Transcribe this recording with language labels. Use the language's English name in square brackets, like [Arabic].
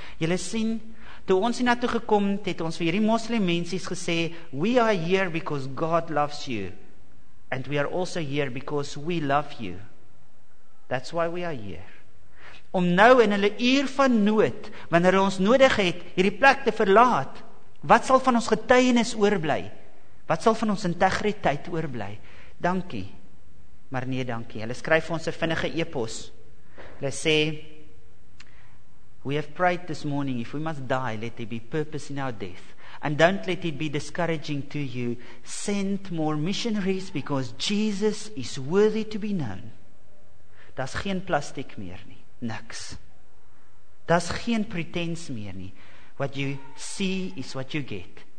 [Afrikaans] Julle sien, toe ons hier naartoe gekom het, het ons vir hierdie moslim mensies gesê, [English] we are here because God loves you, and we are also here because we love you. That's why we are here. [Afrikaans] Om nou in hulle uur van nood, wanneer hulle ons nodig het, hierdie plek te verlaat, wat sal van ons getuienis oorbly? Wat sal van ons integriteit oorbly? Dankie, maar nee dankie. Hulle skryf ons 'n vinnige e-pos. Hulle sê, [English] we have prayed this morning, if we must die, let there be purpose in our death. And don't let it be discouraging to you. Send more missionaries, because Jesus is worthy to be known. [Afrikaans] Da's geen plastiek meer nie. Niks. Da's geen pretens meer nie. [English] What you see is what you get.